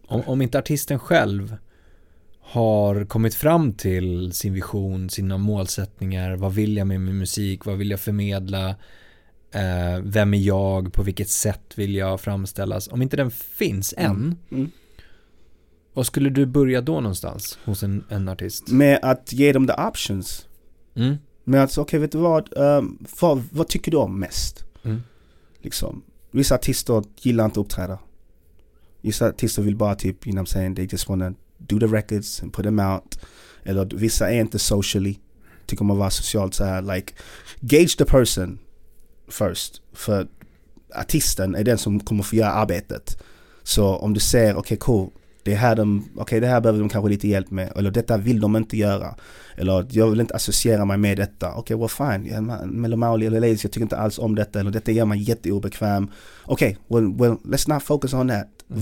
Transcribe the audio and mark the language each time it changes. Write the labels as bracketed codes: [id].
[sv] Om inte artisten själv har kommit fram till sin vision, sina målsättningar, vad vill jag med min musik, vad vill jag förmedla, vem är jag, på vilket sätt vill jag framställas, om inte den finns än, vad skulle du börja då någonstans hos en artist? Med att ge dem [en] the options. Mm. [sv] Med att, okej, vet du vad, vad tycker du om mest? Mm. Liksom, vissa artister gillar inte att uppträda. Vissa artister vill bara typ, [en] you know what I'm saying, they just wanna do the records and put them out. [sv] Eller vissa är inte socially, tycker man vara socialt så här, [en] like, gauge the person first, [sv] för artisten är den som kommer få göra arbetet. Så om du säger, okej, [en] okay, cool, [sv] det här, det här behöver de kanske lite hjälp med, eller detta vill de inte göra, eller jag vill inte associera mig med detta, okej, [en] okay, well fine, yeah, [sv] Melomauli eller Lays, jag tycker inte alls om detta, eller detta gör mig jätteobekväm, okej, [en] okay, well let's not focus on that. [sv] Mm.